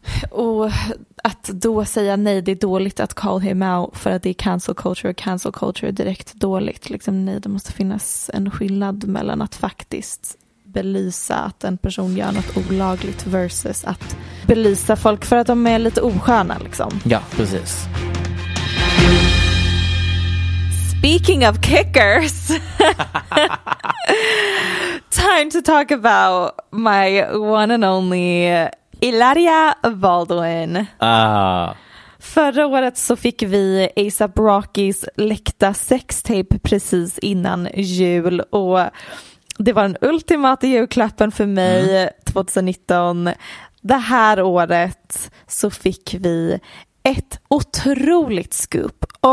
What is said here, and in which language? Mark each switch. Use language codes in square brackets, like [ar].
[sv] Och att då säga nej, det är dåligt att [en] call him out, [sv] för att det är cancel culture är direkt dåligt liksom. Nej, det måste finnas en skillnad mellan att faktiskt belysa att en person gör något olagligt versus att belysa folk för att de är lite osköna liksom. Ja, precis. [en] Speaking of kickers, time to talk about my one and only Ilaria Baldwin. [sv] Förra året så fick vi A$AP Rockys läckta sextape precis innan jul, och det var den ultimata julklappen för mig 2019. Det här året så fick vi ett otroligt scoop.